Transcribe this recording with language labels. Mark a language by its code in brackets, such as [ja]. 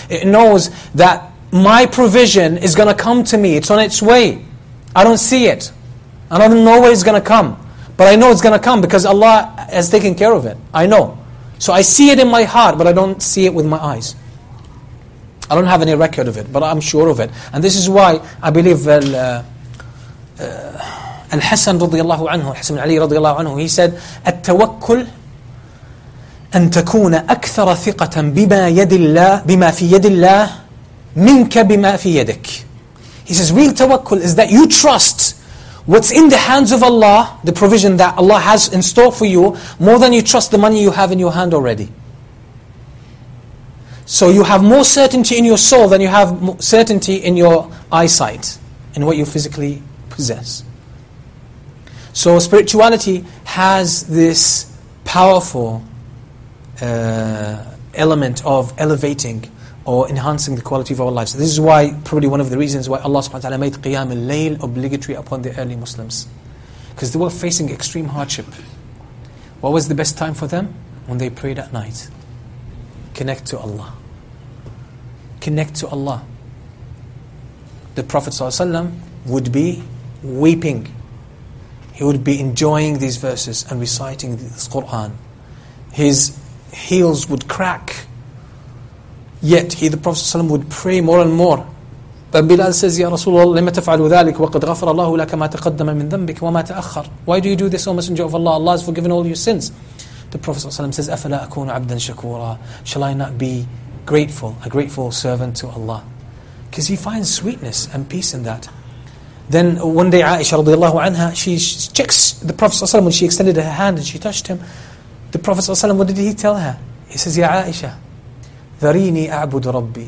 [en] It knows that my provision is going to come to me. It's on its way. I don't see it. And I don't know where it's going to come. But I know it's going to come because Allah has taken care of it. I know. So I see it in my heart, but I don't see it with my eyes. I don't have any record of it, but I'm sure of it. And this is why I believe Al-Hasan radiallahu anhu, Al-Hasan Ali radiallahu anhu, he said, [ar] التوكل أن تكون أكثر ثقة بما يد الله بما في يد الله منك بما في يدك. [en] He says, real tawakkul is that you trust what's in the hands of Allah, the provision that Allah has in store for you, more than you trust the money you have in your hand already. So you have more certainty in your soul than you have certainty in your eyesight, in what you physically possess. So spirituality has this powerful element of elevating or enhancing the quality of our lives. This is why, probably one of the reasons why Allah subhanahu wa ta'ala made Qiyam al-Layl obligatory upon the early Muslims. Because they were facing extreme hardship. What was the best time for them? When they prayed at night. Connect to Allah. Connect to Allah. The Prophet ﷺ would be weeping. He would be enjoying these verses and reciting this Qur'an. His heels would crack. Yet, he, the Prophet ﷺ, would pray more and more. But Bilal says, [ar] Ya Rasulullah, لِمَ تَفْعَلُ ذَلِكَ وَقَدْ غَفَرَ اللَّهُ لَكَ مَا تَقَدَّمَ مِنْ ذَنْبِكَ وَمَا تَأَخَّرَ. [en] Why do you do this, O Messenger of Allah? Allah has forgiven all your sins. The Prophet ﷺ says, [ar] أَفَلَا أَكُونُ عَبْدًا شَكُورًا. [en] Shall I not be grateful, a grateful servant to Allah? Because he finds sweetness and peace in that. Then one day Aisha radiallahu anha, she checks the Prophet ﷺ when she extended her hand and she touched him. The Prophet ﷺ, what did he tell her? He says, Ya Aisha, [ar] ذَرِينِي أَعْبُدُ رَبِّي.